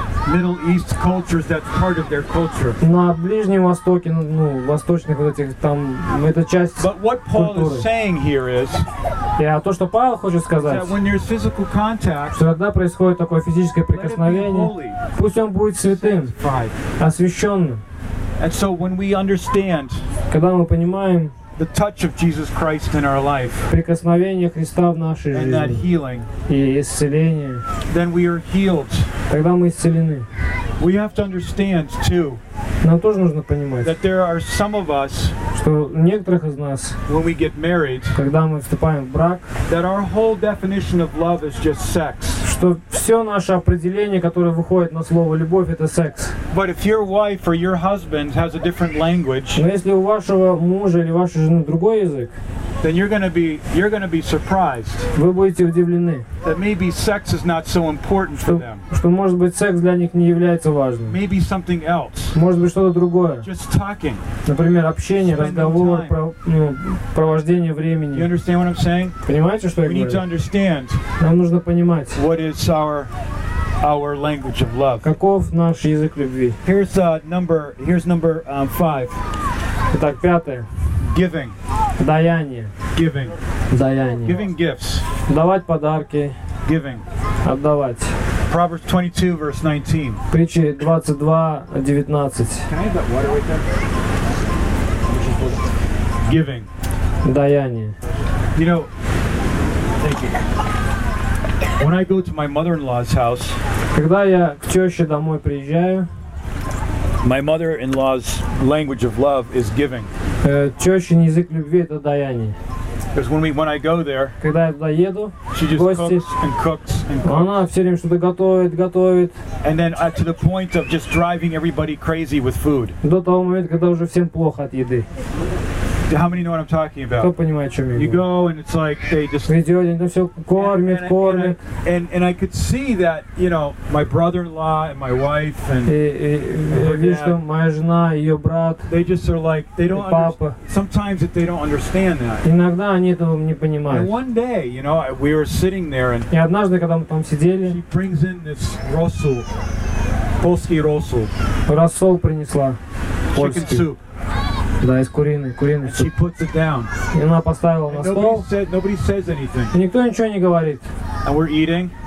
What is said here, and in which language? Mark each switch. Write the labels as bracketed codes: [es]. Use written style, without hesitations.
[en] Middle East cultures, that's part of their culture. [ru] На Ближнем Востоке, ну, восточных вот этих там, это часть культуры. [en] But what Paul is saying here is, [ru] yeah, то, что Павел хочет сказать, [en] that when there's physical contact, [ru] что когда происходит такое физическое прикосновение, пусть он будет святым, освященным. [en] And so when we understand, [ru] когда мы понимаем, [en] the touch of Jesus Christ in our life, [ru] прикосновение Христа в нашей жизни, [en] and that healing, [ru] и исцеление, [en] then we are healed. [ru] Тогда мы исцелены. [en] We have to understand too, [ru] нам тоже нужно понимать, [en] that there are some of us, [ru] что некоторых из нас, [en] when we get married, [ru] когда мы вступаем в брак, [en] that our whole definition of love is just sex. [ru] Что все наше определение, которое выходит на слово «любовь», это секс. [en] But if your wife or your husband has a different language, [ru] но если у вашего мужа или вашей жены другой язык, [en] then you're gonna be surprised. [ru] Вы будете удивлены. [en] That maybe sex is not so important for them. [ru] Что может быть секс для них не является важным. [en] Maybe something else. [ru] Может быть что-то другое. [en] Just talking. [ru] Например, общение, разговор, провождение времени. [en] You understand what I'm saying? [ru] Понимаете, что я говорю? [en] We need to understand. [ru] Нам нужно понимать. [en] What is our language of love? [ru] Каков наш язык любви? [en] Here's number five. [ru] Итак, пятое. [en] Giving. [ru] Даяние. [en] Giving. [ru] Даяние. [en] Giving gifts. [ru] Давать подарки. [en] Giving. [ru] Отдавать. [en] Proverbs 22, verse 19. [ru] Притчи 22:19. [en] Can I have that water right there? Giving. [ru] Даяние. [en] You know, thank you. When I go to my mother-in-law's house, [ru] когда я к тёще домой приезжаю, [en] my mother-in-law's language of love is giving. [ru] Тёщин язык любви это даяние. [en] Because when I go there, [ru] когда я туда еду, [en] she just [ru] гости, [en] cooks and cooks and cooks. [ru] Она всё время что-то готовит. [en] And then to the point of just driving everybody crazy with food. [ru] До того момента, когда уже всем плохо от еды. [en] How many know what I'm talking about? [ru] Кто понимает, о чём я? [en] You go and it's like they just. [ru] Ведёт, они там всё кормят, кормят. [en] And I could see that, you know, my brother-in-law and my wife and. [ru] И видишь, что моя жена, её брат. [en] They just are like they don't. [ru] Папа. [en] Sometimes they don't understand that. [ru] Иногда они этого не понимают. [en] And one day, you know, we were sitting there and. [ru] И однажды, когда мы там сидели. [en] She brings in this rosol, polski rosol. [ru] Rosol принесла. [en] Chicken soup. [ru] Да, из куриной, куриной. [en] And she puts it down. [ru] И она поставила [en] and [ru] на стол. [en] Nobody says anything. [ru] И никто ничего не говорит. [en] And we're eating.